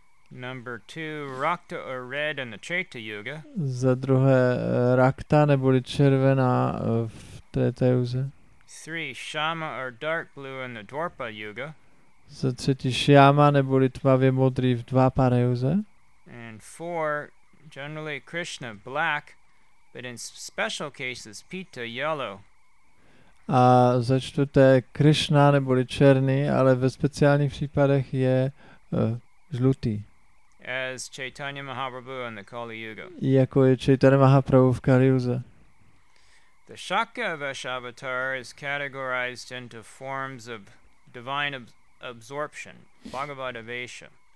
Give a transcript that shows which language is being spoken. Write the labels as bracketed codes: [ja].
[en] Number two, Rakta or red in the Treta Yuga. [cs] Za druhé Rakta neboli červená v Treta Yuze. [en] Three, Shama or dark blue in the Dwarpa Yuga. [cs] Za třetí Shyama neboli tmavě modrý v Dvapara Yuze. [en] And four, generally Krishna, black, but in special cases, Pita, yellow. [cs] A za čtvrté, Krishna neboli černý, ale ve speciálních případech je žlutý. [en] As Chaitanya Mahaprabhu in the Kali Yuga. [cs] Jako je Chaitanya Mahaprabhu v Kali Yuga. [en] The Shakya Vesha avatar is categorized into forms of divine absorption, Bhagavata Vesha.